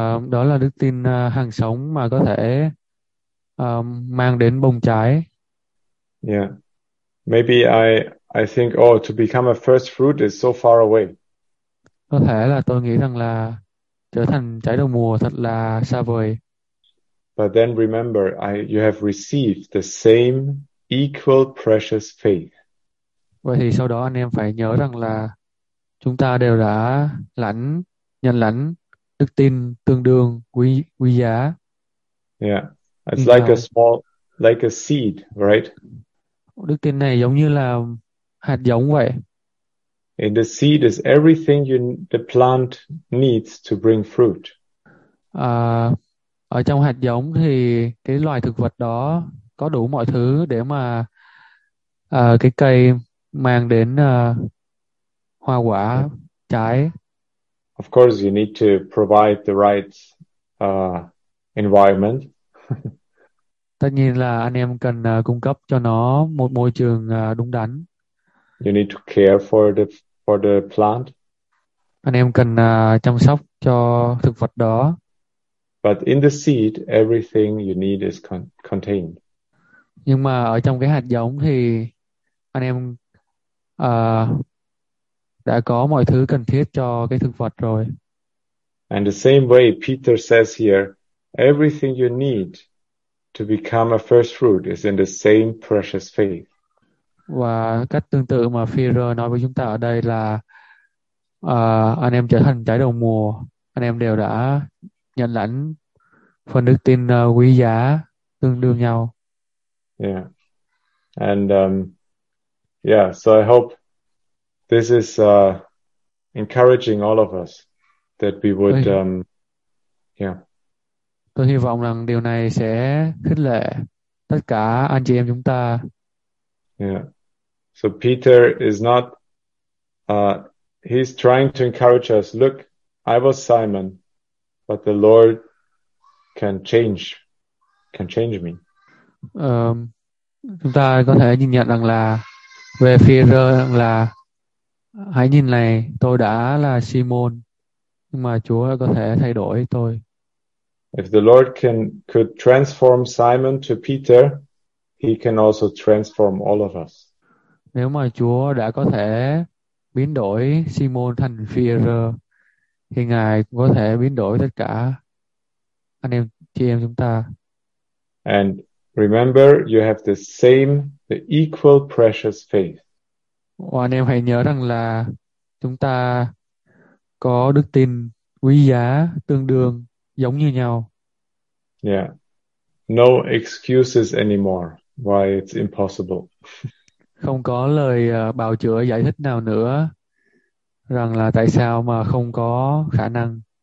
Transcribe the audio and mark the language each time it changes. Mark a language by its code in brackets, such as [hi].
[vi] Đó là đức tin hàng sống mà có thể mang đến bông trái. [en] Yeah. Maybe I think, oh, to become a first fruit is so far away. [vi] Có thể là tôi nghĩ rằng là trở thành trái đầu mùa thật là xa vời. [en] But then remember, you have received the same equal precious faith. [vi] Vậy thì sau đó anh em phải nhớ rằng là chúng ta đều đã nhận lãnh đức tin tương đương quý giá. [en] Yeah, it's like a small, like a seed, right? [vi] Đức tin này giống như là hạt giống vậy. [en] And the seed is everything the plant needs to bring fruit. [vi] Ở trong hạt giống thì cái loài thực vật đó có đủ mọi thứ để mà cái cây mang đến hoa quả trái. [en] Of course, you need to provide the right environment. [vi] Tất nhiên là anh em cần cung cấp cho nó một môi trường đúng đắn. [en] You need to care for the plant. [vi] Anh em cần chăm sóc cho thực vật đó. [en] But in the seed, everything you need is contained. [vi] Nhưng mà ở trong cái hạt giống thì anh em đã có mọi thứ cần thiết cho cái thực vật rồi. [en] And the same way Peter says here, everything you need to become a first fruit is in the same precious faith. [vi] Và cách tương tự mà Peter nói với chúng ta ở đây là anh em trở thành trái đầu mùa, anh em đều đã nhận lãnh phần đức tin quý giá tương đương nhau. [en] Yeah. And yeah, so I hope this is encouraging all of us that we would [vi] Tôi hy vọng rằng điều này sẽ khích lệ tất cả anh chị em chúng ta. [en] Yeah. So Peter is not he's trying to encourage us. Look, I was Simon, but the Lord can change me. [vi] Chúng ta có thể nhìn nhận rằng là về Phi-rơ rằng là hãy nhìn này, tôi đã là Simon, nhưng mà Chúa có thể thay đổi tôi. [en] If the Lord could transform Simon to Peter, he can also transform all of us. [vi] Nếu mà Chúa đã có thể biến đổi Simon thành Phi-rơ thì Ngài cũng có thể biến đổi tất cả anh em chị em chúng ta. [en] And remember, you have the equal precious faith. [vi] Và anh em hãy nhớ rằng là chúng ta có đức tin quý giá tương đương giống như nhau. [en] Yeah. No excuses anymore why it's impossible. [vi] Không có lời bào chữa giải thích nào nữa rằng là tại sao mà không có khả năng.